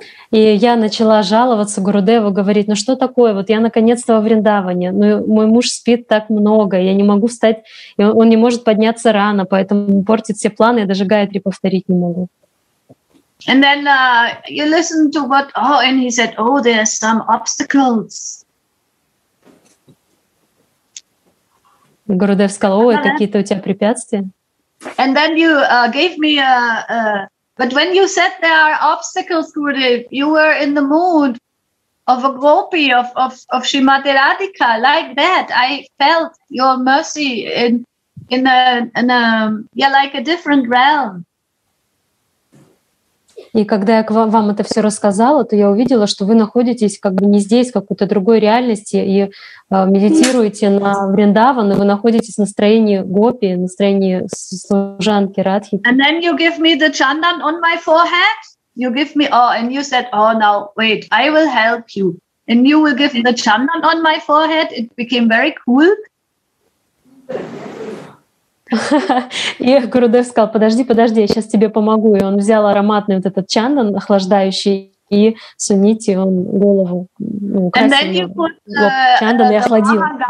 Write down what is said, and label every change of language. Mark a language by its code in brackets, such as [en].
[ru] И я начала жаловаться Гурудеву, говорить, ну что такое, вот я наконец-то во Вриндаване, ну мой муж спит так много, я не могу встать, он не может подняться рано, поэтому портит все планы, я даже Гаятри повторить не могу. [en] And then you listen to what, oh, and he said, oh, there are some obstacles. [ru] Гурудев сказал, ой, какие-то у тебя препятствия. [en] And then you gave me a... But when you said there are obstacles, Gurudev, you were in the mood of a gopi, of Srimati Radhika, like that. I felt your mercy in a different realm. [ru] И когда я к вам это все рассказала, то я увидела, что вы находитесь как бы не здесь, в какой-то другой реальности, и медитируете на Вриндаван, и вы находитесь в настроении гопи, в настроении служанки Радхи. [en] And then you give me the chandan on my forehead, you give me, oh, and you said, oh, now, wait, I will help you. And you will give me the chandan on my forehead, it became very cool. [ru] И Гурудев сказал, подожди, я сейчас тебе помогу. И он взял ароматный вот этот чандан, охлаждающий, и Сунити, он голову украсил. Чандан и охладил.